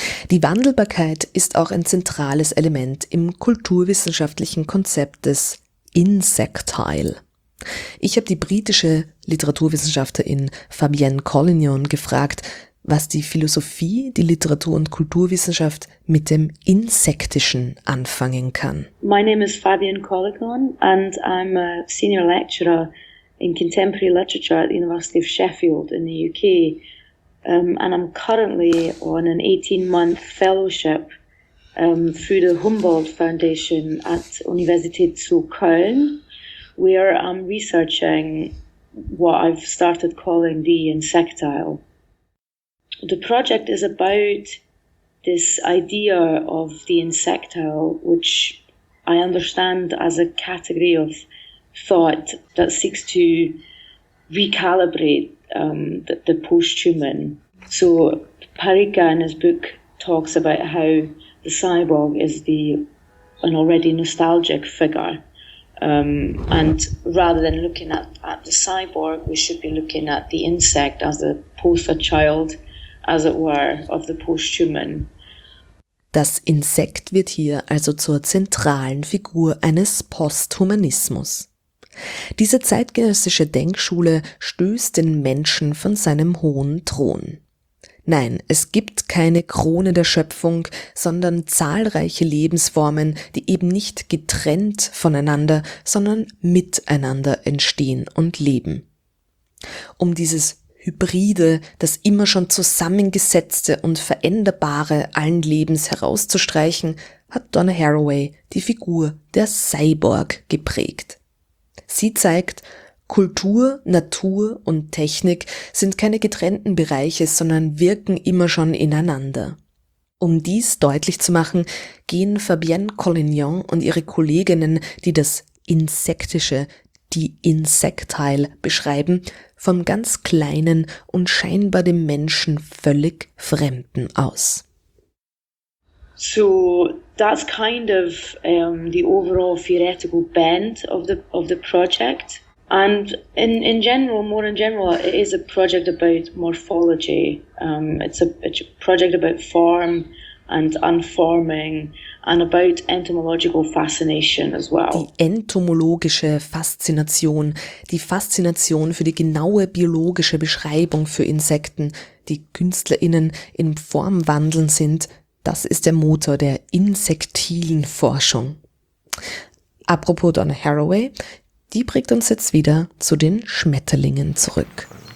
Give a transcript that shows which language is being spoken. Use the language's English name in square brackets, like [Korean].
[German] Die Wandelbarkeit ist auch ein zentrales Element im kulturwissenschaftlichen Konzept des Insectile. Ich habe die britische Literaturwissenschaftlerin Fabienne Collignon gefragt, was die Philosophie, die Literatur und Kulturwissenschaft mit dem Insektischen anfangen kann. [English] My name is Fabienne Collignon and I'm a senior lecturer in contemporary literature at the University of Sheffield in the UK. And I'm currently on an 18-month fellowship through the Humboldt Foundation at Universität zu Köln, where I'm researching what I've started calling the insectile. The project is about this idea of the insectile, which I understand as a category of thought that seeks to recalibrate the post-human. So Parikka in his book talks about how the cyborg is an already nostalgic figure. And rather than looking at the cyborg, we should be looking at the insect as a poster child, as it were, of the post-human. [German] Das Insekt wird hier also zur zentralen Figur eines Posthumanismus. Diese zeitgenössische Denkschule stößt den Menschen von seinem hohen Thron. Nein, es gibt keine Krone der Schöpfung, sondern zahlreiche Lebensformen, die eben nicht getrennt voneinander, sondern miteinander entstehen und leben. Um dieses Hybride, das immer schon zusammengesetzte und veränderbare allen Lebens herauszustreichen, hat Donna Haraway die Figur der Cyborg geprägt. Sie zeigt, Kultur, Natur und Technik sind keine getrennten Bereiche, sondern wirken immer schon ineinander. Um dies deutlich zu machen, gehen Fabienne Collignon und ihre Kolleginnen, die das Insektische, die Insektile beschreiben, vom ganz Kleinen und scheinbar dem Menschen völlig Fremden aus. [English] So that's kind of the overall theoretical bent of the project. And in general, more in general, it is a project about morphology. It's a project about form and unforming and about entomological fascination as well. [German] Die entomologische Faszination, die Faszination für die genaue biologische Beschreibung für Insekten, die KünstlerInnen im Formwandeln sind, das ist der Motor der insektilen Forschung. Apropos Donna Haraway, die bringt uns jetzt wieder zu den Schmetterlingen zurück.